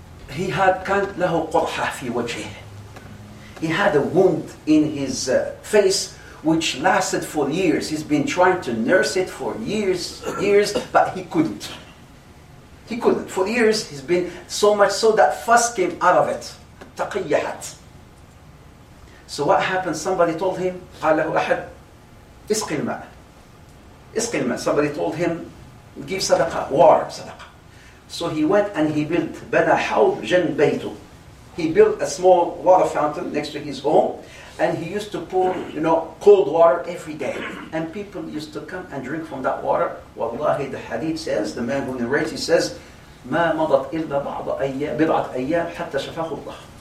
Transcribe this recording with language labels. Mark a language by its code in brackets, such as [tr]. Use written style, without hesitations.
[en] He had [ar] كان له قرحة في وجهه. [en] He had a wound in his face, which lasted for years. He's been trying to nurse it for years, but he couldn't. He couldn't. For years, he's been so much so that fuss came out of it. [ar] تقيحت. [en] So what happened? Somebody told him, [ar] قال له أحد, اسقي الماء. اسقي الماء. [en] Somebody told him, give صدقة, water, صدقة. So he went and he built, [ar] بنى حوض جن بيته. [en] He built a small water fountain next to his home. And he used to pour, you know, cold water every day. And people used to come and drink from that water. Wallahi, the hadith says, the man who narrates, he says, [ar] مَا مَضَتْ إِلَّا بِضْعَةْ أَيَّامْ حَتَّى شَفَاهُ اللَّهُ.